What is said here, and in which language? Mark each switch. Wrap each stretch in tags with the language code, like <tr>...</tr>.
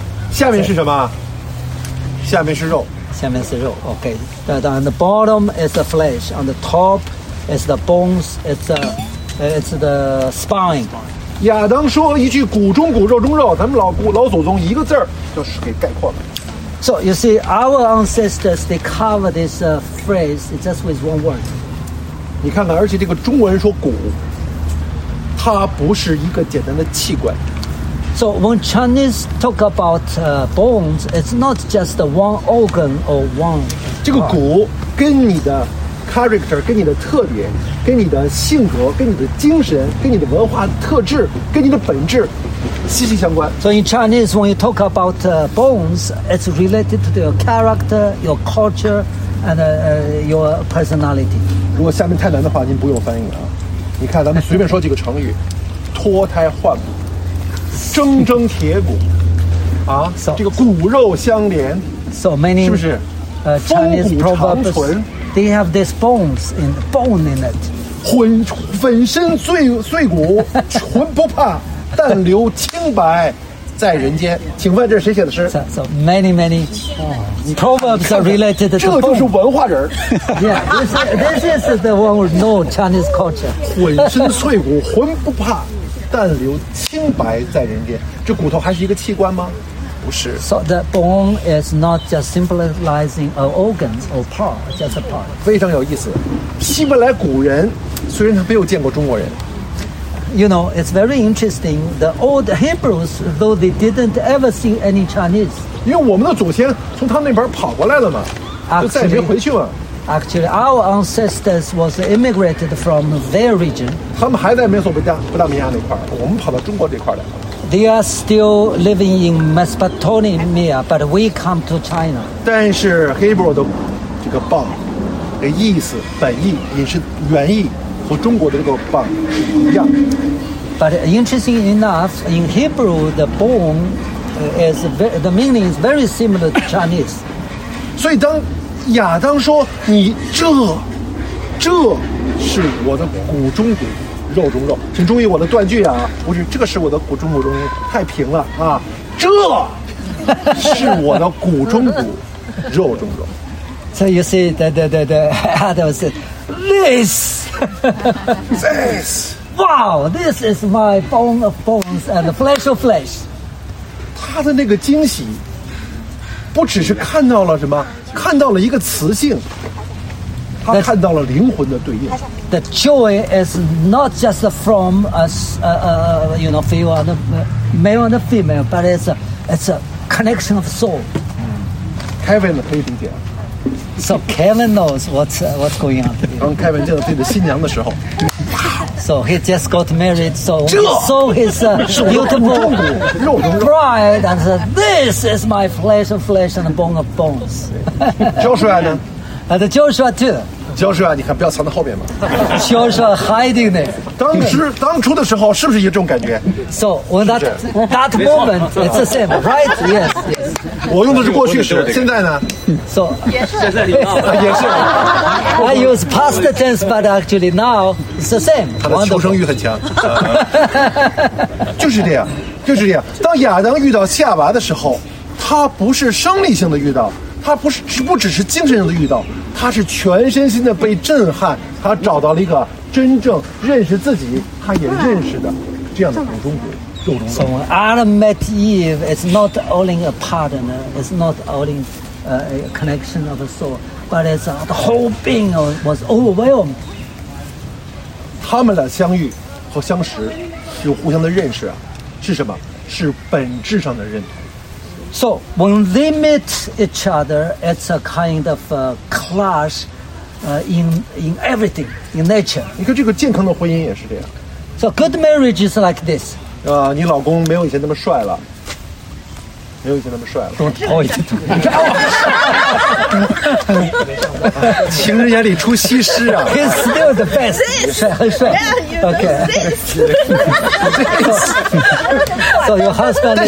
<zh>下面是什么？下面是肉。下面是肉。</zh> <en>Okay. But on the bottom is the flesh. On the top is the bones. It's the spine.</en> <zh>亚当说了一句骨中骨，肉中肉。咱们老祖宗一个字儿就是给概括了。</zh> <en>So you see, our ancestors they cover this phrase just with one word.</en> <zh>你看看，而且这个中文说骨，它不是一个简单的器官。</zh> <en>So when Chinese talk about bones, it's not just one organ or one.</en> <zh>这个骨跟你的 character, 跟你的特点，跟你的性格，跟你的精神，跟你的文化特质，跟你的本质。息息相关。</zh> <en>So in Chinese, when you talk about bones, it's related to your character, your culture, and your personality.</en> <zh>如果下面太难的话，您不用翻译了啊。你看，咱们随便说几个成语：脱胎换骨、铮铮铁骨，啊，</zh> <en>so,</en> <zh>这个骨肉相连，</zh> <en>so many,</en> <zh>是不是？</zh> <en>Chinese proverbs, they have these bones in bone in it.</en> <zh>粉身碎骨，纯不怕。但留清白在人间，请问这是谁写的诗？</zh> <en>So many many proverbs are related to the bone.</en> <zh>这就是文化人。</zh> <en>Yeah, this is the one who know Chinese culture.</en> <zh>浑身碎骨浑不怕，但留清白在人间。这骨头还是一个器官吗？不是。</zh> <en>So the bone is not just symbolizing an organ or part, just a part.</en> <zh>非常有意思。希伯来古人虽然他没有见过中国人，</zh> <en>You know, it's very interesting. The old Hebrews, though they didn't ever see any Chinese.</en> <zh>因为我们的祖先从他那边跑过来了嘛，</zh> <en>actually,</en> <zh>就再也没回去嘛。</zh> <en>Actually, our ancestors was immigrated from their region.</en> <zh>他们还在美索不达米亚那块儿，我们跑到中国这块来了。</zh> <en>They are still living in Mesopotamia, but we come to China.</en> <zh>但是 Hebrew 的这个棒的意思、本意也是原意。和中国的这个棒一样。</zh> <en>But interesting enough, in Hebrew, the bone is the meaning is very similar to Chinese.</en> <zh>所以当亚当说你这是我的骨中骨，肉中肉，请注意我的断句啊，不是这个是我的骨中骨，中太平了啊，这是我的骨中骨，肉中肉。</zh> <en>So you see, the Adam said, this. This. Wow, this is my bone of bones and flesh of flesh.</en> <zh>他的那个惊喜，不只是看到了什么，看到了一个雌性，他看到了灵魂的对应。</zh> <en>The joy is not just from us, you know, female and male and female, but it's a connection of soul.</en> <zh>Kevin 可以理解。</zh> <en>So Kevin knows what's going on.</en> <zh>当 Kevin 见到自己的新娘的时候</zh> <en>，So he just got married. So so his beautiful bride and said, "This is my flesh of flesh and bone of bones."</en> <zh>Joshua 呢</zh> <en>？And Joshua too.</en> <zh>Joshua， 你看不要藏在后面嘛。</zh> <en>Joshua hiding there.</en> <zh>当初的时候是不是一种感觉</zh> <en>？So when that moment, it's the same, right? Yes.</en> <zh>我用的是过去式，现在呢？</zh> <en>So,</en> <zh>也是现在也是</zh> <en>I use past tense but actually now it's the same</en> <zh>他的求生欲很强就是这样就是这样当亚当遇到夏娃的时候他不是生理性的遇到他不只是精神性的遇到他是全身心的被震撼他找到了一个真正认识自己他也认识的这样的骨中骨肉中肉</zh> <en>So when Adam met Eve it's not only a partner it's not onlyA connection of a soul, but it's the whole being was overwhelmed.</en> <zh>他们俩相遇和相识，有互相的认识啊，是什么？是本质上的认同。</zh> <en>So when they meet each other, it's a kind of a clash, in everything in nature.</en> <zh>你看这个健康的婚姻也是这样。</zh> <en>So good marriage is like this.</en> <zh>你老公没有以前那么帅了。没有以前那么帅了，多掏一些土。你看我，情人眼里出西施啊</zh> <en>！He's still the best，</en> <zh>帅很帅。</zh> <en>OK，</en> <zh>所以</zh> <en>husband</en>